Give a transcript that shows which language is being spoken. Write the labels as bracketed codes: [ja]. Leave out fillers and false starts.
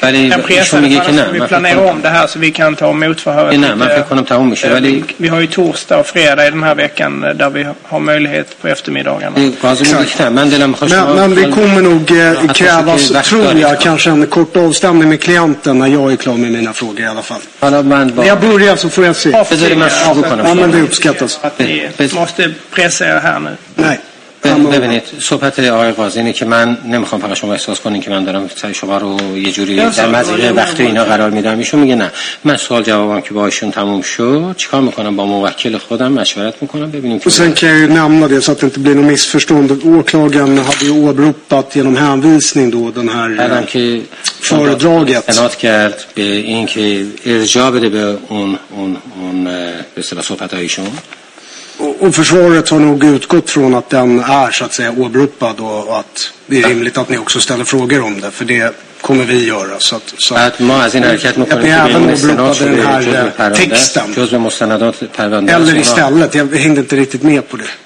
[sv] vi planerar om det här så vi kan ta emot förhöret vi har ju torsdag och fredag i den här veckan där vi har möjlighet på eftermiddagen men det kommer nog krävas tror jag kanske en kort avstämning med klienten när jag är klar med mina frågor i alla fall jag börjar så får jag se Det är det man ska kunna. Ja, men det uppskattas. Att ni måste pressa er här nu. Nej. [fa] ببینید صحبت آقای قاضی اینه که من نمیخوام فقط شما احساس کنین که من دارم سر شما رو یه جوری در مزیق وقت اینا قرار میدم. ایشون میگه نه من سوال جوابم که با ایشون تموم شد چیکار میکنم با موکل خودم مشورت میکنم ببینیم [sv] که sen kan jag nämna det så att det inte blir något missförstånd. Åklagaren hade ju åberopat genom hänvisning då den här föredraget. En åtgärd [fa] به این که ارجاع بده به اون به اصطلاح صحبت های ایشون. [sv] Och försvaret har nog utgått från att den är så att säga åberopad och att det är rimligt att ni också ställer frågor om det. För det kommer vi göra. Så att ni även åberopade den här texten. Eller istället, jag hängde inte riktigt med på det.